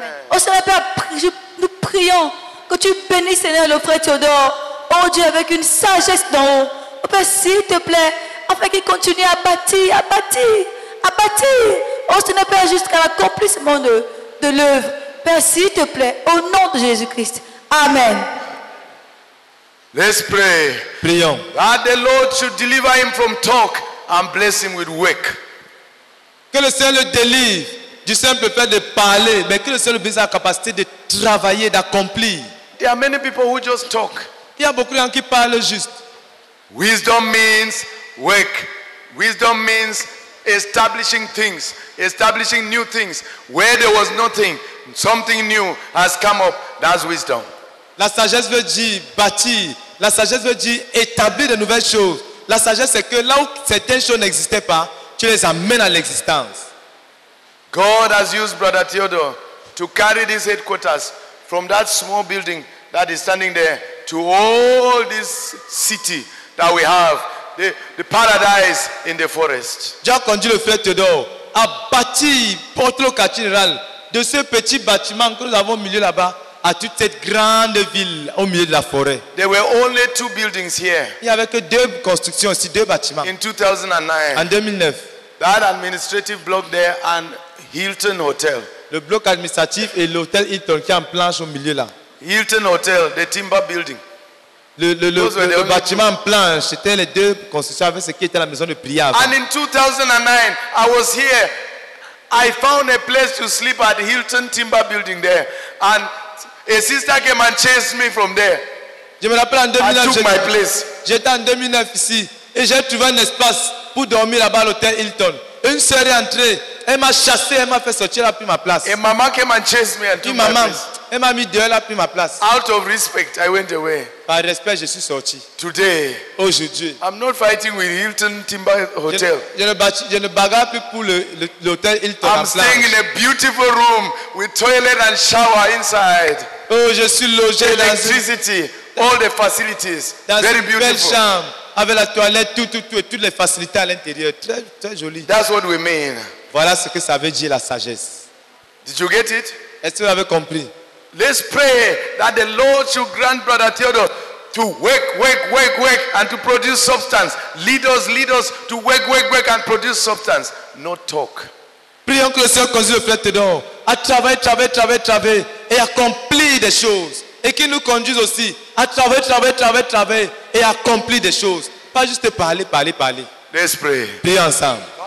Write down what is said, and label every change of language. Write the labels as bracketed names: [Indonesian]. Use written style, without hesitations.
[French] Au Seigneur, Père, nous prions que tu bénisses, Seigneur, le frère Théodore. Oh Dieu, avec une sagesse d'en haut. Oh Père, s'il te plaît, afin qu'il continue à bâtir, à bâtir, à bâtir. Oh Seigneur, Père, jusqu'à l'accomplissement de l'œuvre. Père, s'il te plaît, au nom de Jésus-Christ. Amen. [English] Let's pray. [French] Prions. [English] That the Lord should deliver him from talk and bless him with work. [French] Que le Seigneur le délivre du simple fait de parler, mais que le Seigneur lui donne la capacité de travailler, d'accomplir. [English] There are many people who just talk. [French] Il y a beaucoup de gens qui parlent juste. [English] Wisdom means work. Wisdom means establishing things, establishing new things. Where there was nothing, something new has come up. That's wisdom. [French] La sagesse veut dire bâtir. La sagesse veut dire établir de nouvelles choses. La sagesse, c'est que là où certaines choses n'existaient pas, tu les amènes à l'existence. [English] God has used Brother Theodore to carry this headquarters from that small building that is standing there to all this city that we have, the paradise in the forest. [French] Dieu a conduit le frère Theodore à bâtir Porto Cathedral de ce petit bâtiment que nous avons au milieu là-bas à toute cette grande ville au milieu de la forêt. [English] There were only two buildings here. [French] Il n'y avait que deux constructions ici, deux bâtiments. [English] In 2009. [French] En 2009. [English] That administrative block there and Hilton Hotel. [French] Le bloc administratif et l'hôtel Hilton qui est en planche au milieu là. [English] Hilton Hotel, the timber building. [French] Le bâtiment en planche, c'était les deux constructions avec ce qui était la maison de prière. [English] And in 2009, I was here. I found a place to sleep at Hilton Timber Building there. And a sister came and chased me from there. [French] Je me rappelle en 2009. [English] I took my place. [French] J'étais en 2009 ici et j'ai trouvé un espace pour dormir là-bas à l'hôtel Hilton. Une sœur est entrée, elle m'a chassé, elle m'a fait sortir, elle a pris ma place. [English] Et maman came and chased me and took [French] maman, [English] my place. [French] Elle m'a mis dehors, elle a pris ma place. [English] Out of respect, I went away. [French] Par respect, je suis sorti. [English] Today, [French] aujourd'hui, [English] I'm not fighting with Hilton Timber Hotel. [French] Je ne bagarre plus pour l'hôtel Hilton. [English] I'm staying in a beautiful room with toilet and shower inside. [French] Oh, je suis logé dans [English] electricity, all the facilities, [French] dans [English] very beautiful. [French] Belle chambre. Avec la toilette, tout, toutes les facilités à l'intérieur. Très, très joli. [English] That's what we mean. [French] Voilà ce que ça veut dire la sagesse. [English] Did you get it? [French] Est-ce que vous avez compris? [English] Let's pray that the Lord should grant Brother Theodore to work, and to produce substance. Lead us to work, and produce substance. No talk. [French] Prions que le Seigneur conduise le frère Theodore à travailler, et accomplir des choses. Et qu'il nous conduise aussi à travailler et accomplir des choses. Pas juste parler. [English] Let's pray. [French] Prions ensemble.